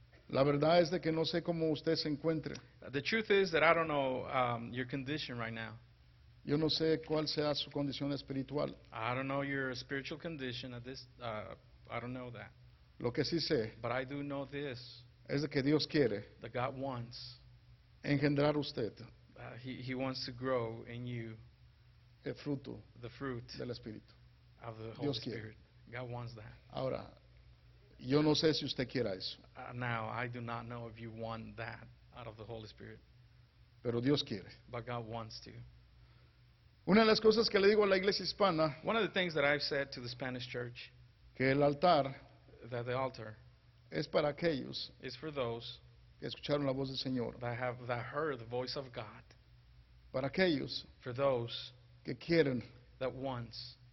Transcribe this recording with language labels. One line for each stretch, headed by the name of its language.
Spanish: La verdad es de que no sé cómo usted se encuentre.
English: The truth is that I don't know your condition right now.
Spanish: Yo no sé cuál sea su condición espiritual.
English: I don't know your spiritual condition at this. I don't know that.
Spanish: Lo que sí sé,
English: but I do know this,
Spanish: es de que Dios quiere,
English: that God wants,
Spanish: engendrar usted,
English: he wants to grow in you,
Spanish: el fruto,
English: the fruit
Spanish: del Espíritu.
English: Of the Holy
Spanish: Dios quiere.
English: Spirit. God wants that.
Spanish: Ahora, yo no sé si usted quiera eso.
English: Now, I do not know if you want that out of the Holy Spirit.
Spanish: Pero Dios quiere.
English: But God wants to.
Spanish: Una de las cosas que le digo a la iglesia hispana,
English: one of the things that I've said to the Spanish church,
Spanish: que el altar,
English: that the altar
Spanish: es para aquellos,
English: is for those
Spanish: que escucharon la voz del Señor,
English: that heard the voice of God,
Spanish: para aquellos,
English: for those
Spanish: que quieren,
English: that wants